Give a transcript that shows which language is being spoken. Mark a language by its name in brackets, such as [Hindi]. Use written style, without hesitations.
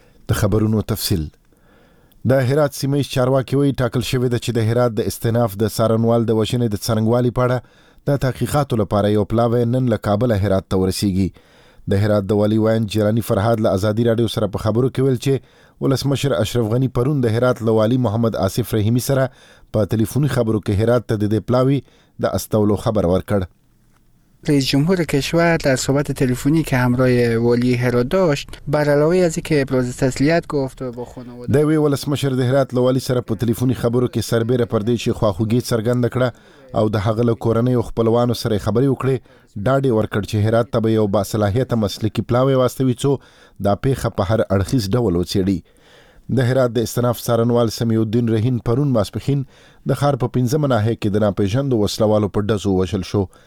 [Pashto] د خبرونو تفصیل د هرات سیمه ایز چارواکي وایي ټاکل شوی ده چې د هرات د استیناف د څارنوال د وژنې د څرنګوالي په اړه د تحقیقاتو لپاره یو پلاوی نن له کابله هرات ته ورسیږي د هرات د والي وایند جیلاني فرهاد له ازادي راډیو سره په خبرو کې ویل چې ولسمشر اشرف غنی پرون د هرات له والي محمد آصف رحیمي سره په تلیفوني خبرو کې هرات ته د دې پلاوی د استولو خبر ورکړ [Persian] رئیس جمهور کشور در صحبت تلفنی که همراه والی هرات داشت بر علاوه از اینکه ابراز تسلیت گفت و با خانواده [Pashto] دوی ولسمشر د هرات له والی سره په تلفنی خبرو کې سربیره پر دې چې خواخوږی څرګند کړه او د هغه له کورنۍ او خپلوانو سره خبرې وکړې ډاډې ورکړ چې هرات ته به یو باصلاحیته مسلکي پلاوی واستوي څو دا پیښه په هر اړخیز ډول وڅېړي د هرات د استناف څارنوال سمیع الدین رحیم پرون ماسپښین د ښار په 15 ناحیه کې د ناپېژندو وسلوالو په ډزو وژل شو